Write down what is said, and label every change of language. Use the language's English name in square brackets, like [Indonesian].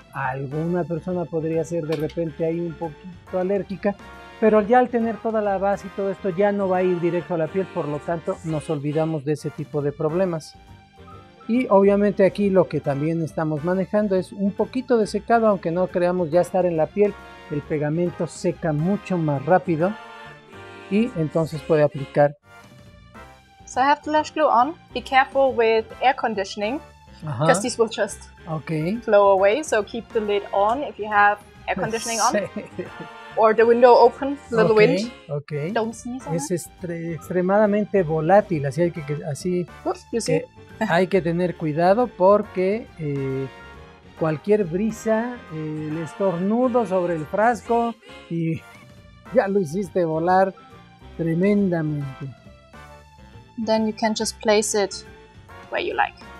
[Spanish] Alguna persona podría ser de repente ahí un poquito alérgica, pero ya al tener toda la base y todo esto ya no va a ir directo a la piel, por lo tanto nos olvidamos de ese tipo de problemas. Y obviamente aquí lo que también estamos manejando es un poquito de secado, aunque no creamos ya estar en la piel, el pegamento seca mucho más rápido y entonces puede aplicar. [English] So I have the lash glue on. Be careful with air conditioning, because this will just flow away. So keep the lid on if you have air conditioning on. Or the window open, little wind. Okay. Don't sneeze. [Spanish] Es extremadamente volátil, así hay que así. [English] You see? [Spanish] Hay que tener cuidado porque cualquier brisa, el estornudo sobre el frasco y ya lo hiciste volar tremendamente. [English] Then you can just place it where you like.